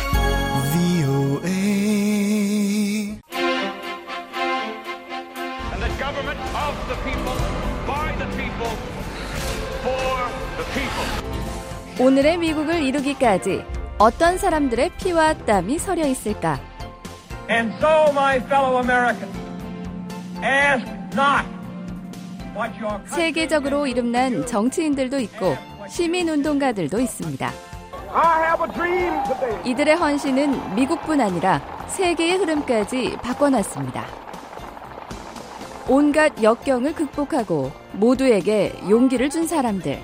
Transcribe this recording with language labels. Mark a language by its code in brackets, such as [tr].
[en] And the government of the people, by the people, for the people. [ko] 오늘의 미국을 이루기까지 어떤 사람들의 피와 땀이 서려 있을까? [en] And so, my fellow Americans, ask not what your country. [ko] 세계적으로 이름난 정치인들도 있고. 시민운동가들도 있습니다. 이들의 헌신은 미국뿐 아니라 세계의 흐름까지 바꿔놨습니다. 온갖 역경을 극복하고 모두에게 용기를 준 사람들.